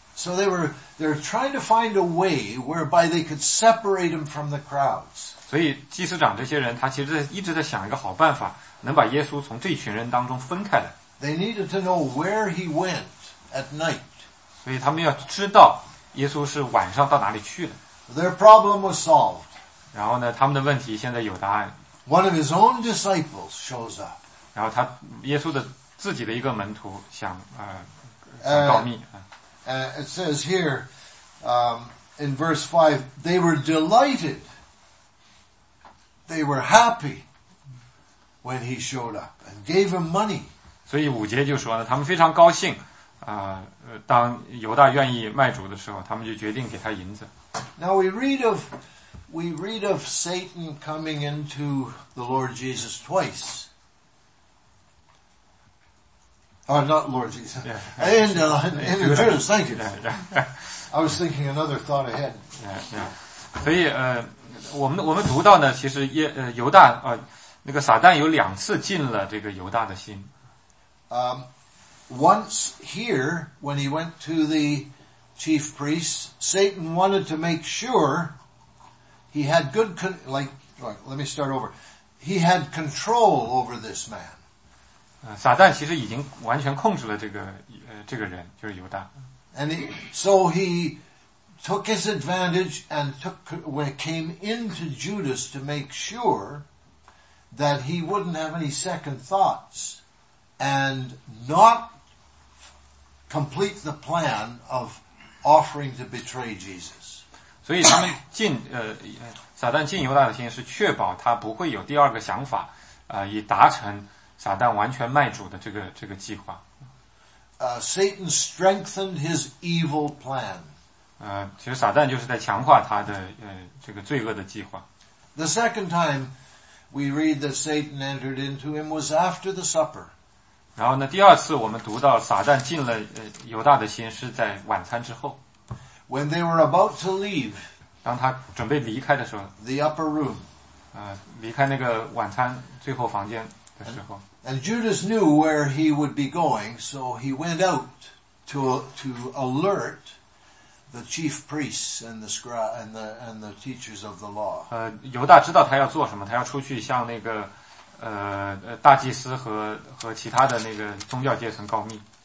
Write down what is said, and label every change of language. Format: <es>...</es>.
<en>So they're trying to find a way whereby they could separate him from the crowds.</en> <zh>所以祭司长这些人他其实一直在想一个好办法能把耶稣从这群人当中分开来。</zh> <en>They needed to know where he went at night.</en> <zh>所以他们要知道耶稣是晚上到哪里去的。</zh> <en>Their problem was solved.</en> <zh>然后呢他们的问题现在有答案。</zh> <en>One of his own disciples shows up.</en> <zh>然后他耶稣的自己的一个门徒想告密。</zh> <en>It says here, in verse 5, they were delighted, they were happy when he showed up and gave him money.</en> <zh>所以五节就说呢，他们非常高兴，当犹大愿意卖主的时候，他们就决定给他银子。</zh> <en>Now we read of Satan coming into the Lord Jesus twice. Not Lord Jesus. Yeah, yeah. And in the church, thank you. Yeah, yeah. I was thinking another thought ahead. Yeah, yeah.</en> <zh>所以我们读到呢，其实犹大那个撒旦有两次进了这个犹大的心。</zh> <en>Once here, when he went to the chief priests, Satan wanted to make sure he had good let me start over. He had control over this man.</en> <zh>撒旦其实已经完全控制了这个人，就是犹大。</zh> <en>And so he took his advantage and came into Judas to make sure that he wouldn't have any second thoughts and not complete the plan of offering to betray Jesus.</en> <zh>所以他们进撒旦进犹大的心是确保他不会有第二个想法，以达成。撒旦完全卖主的这个计划。</zh> <en>Satan strengthened his evil plan.</en> <zh>其实撒旦就是在强化他的这个罪恶的计划。</zh> <en>The second time we read that Satan entered into him was after the supper.</en> <zh>然后呢，第二次我们读到撒旦进了犹大的心是在晚餐之后。</zh> <en>When they were about to leave,</en> <zh>当他准备离开的时候</zh> <en>，the upper room.</en> <zh>离开那个晚餐最后房间。</zh> <en>And Judas knew where he would be going, so he went out to alert the chief priests and the scribes and the teachers of the law.</en> <zh>犹大知道他要做什么，他要出去向那个大祭司和其他的那个宗教阶层告密。</zh>